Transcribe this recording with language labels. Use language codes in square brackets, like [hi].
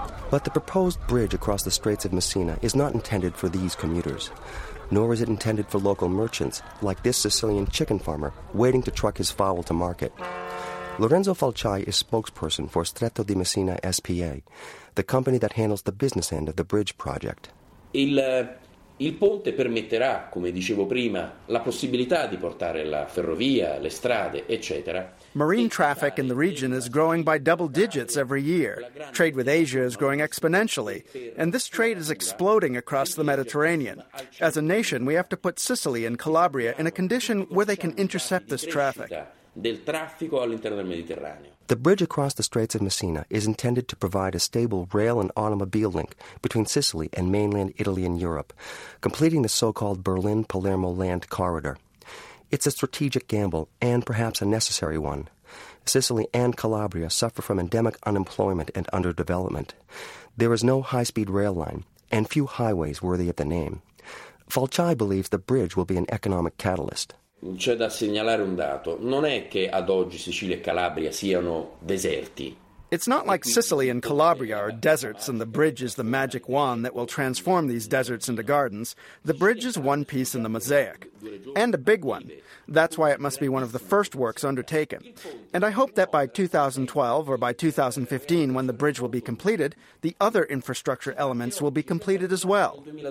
[en] But the proposed bridge across the Straits of Messina is not intended for these commuters. Nor is it intended for local merchants, like this Sicilian chicken farmer waiting to truck his fowl to market. Lorenzo Falchai is spokesperson for Stretto di Messina S.P.A., the company that handles the business end of the bridge project. [it] Il ponte permetterà, come dicevo prima, la possibilità di portare la ferrovia, le strade, eccetera. [en] Marine traffic in the region is growing by double digits every year. Trade with Asia is growing exponentially, and this trade is exploding across the Mediterranean. As a nation, we have to put Sicily and Calabria in a condition where they can intercept this traffic. [it] Del traffico all'interno del Mediterraneo. [en] The bridge across the Straits of Messina is intended to provide a stable rail and automobile link between Sicily and mainland Italy and Europe, completing the so-called Berlin-Palermo land corridor. It's a strategic gamble and perhaps a necessary one. Sicily and Calabria suffer from endemic unemployment and underdevelopment. There is no high-speed rail line and few highways worthy of the name. Falchai believes the bridge will be an economic catalyst. [it] C'è da segnalare un dato. Non è che ad oggi Sicilia e Calabria siano deserti. [en] It's not like Sicily and Calabria are deserts and the bridge is the magic wand that will transform these deserts into gardens. The bridge is one piece in the mosaic, and a big one. That's why it must be one of the first works undertaken. And I hope that by 2012 or by 2015, when the bridge will be completed, the other infrastructure elements will be completed as well.